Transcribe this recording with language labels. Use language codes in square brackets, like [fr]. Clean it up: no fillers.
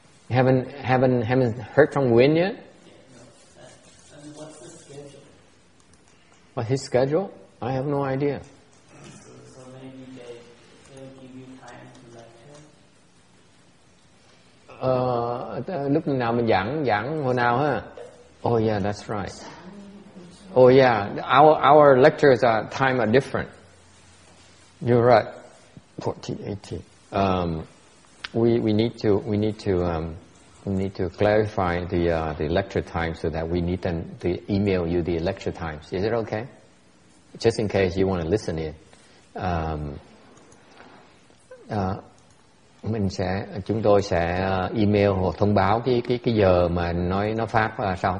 [en] Haven't heard from Wynn yet? And what's his schedule? What's his schedule? I have no idea. So maybe they'll give you time to lecture? [vi] Lúc nào mình giảng hồi nào ha? [en] Oh yeah, that's right. Oh yeah, our lectures are time are different. You're right. 14:18. We need to clarify the lecture time so that we need them to email you the lecture times. Is it okay? Just in case you want to listen in, [vi] chúng tôi sẽ email hoặc thông báo cái giờ mà nó phát sau.